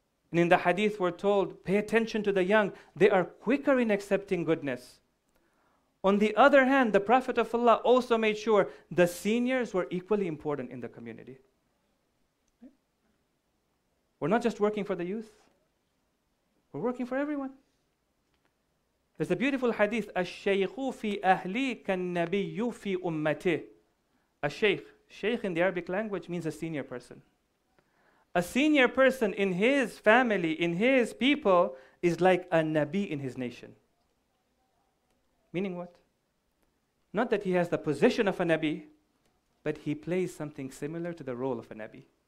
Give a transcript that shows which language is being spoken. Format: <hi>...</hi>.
<en>And in the hadith we're told, pay attention to the young. They are quicker in accepting goodness. On the other hand, the Prophet of Allah also made sure the seniors were equally important in the community. We're not just working for the youth. We're working for everyone. There's a beautiful hadith,</en> <ar>الشيخ في أهلي كالنبي في أمتي.</ar> <en>A sheikh. Sheikh in the Arabic language means a senior person. A senior person in his family, in his people, is like a Nabi in his nation. Meaning what? Not that he has the position of a Nabi, but he plays something similar to the role of a Nabi.</en>